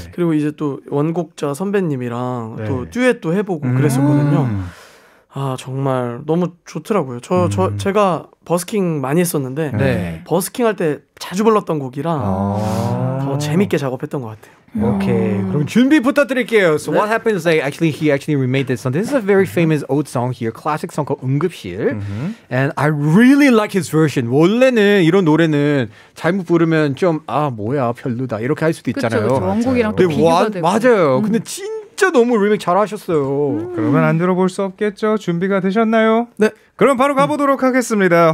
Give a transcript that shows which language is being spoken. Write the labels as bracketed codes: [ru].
[ko] 그리고 이제 또 원곡자 선배님이랑 또 듀엣도 해보고 그랬었거든요. 아 정말 너무 좋더라고요. 제가 버스킹 많이 했었는데 네. 버스킹 할 때 자주 불렀던 곡이라 더 재밌게 작업했던 것 같아요. [en] Okay, [ko] 그럼 준비 부탁드릴게요. [en] So what happens is he actually remade this song. This is a very famous old song here, classic song called 응급실. And I really like his version. [ko] 원래는 이런 노래는 잘못 부르면 좀 아 뭐야 별로다 이렇게 할 수도 있잖아요. 그렇죠, 원곡이랑 비교가 되고. 맞아요. 근데 진짜 너무 리믹 잘하셨어요. 그러면 안 들어볼 수 없겠죠. 준비가 되셨나요? 네. 그럼 바로 가보도록 하겠습니다.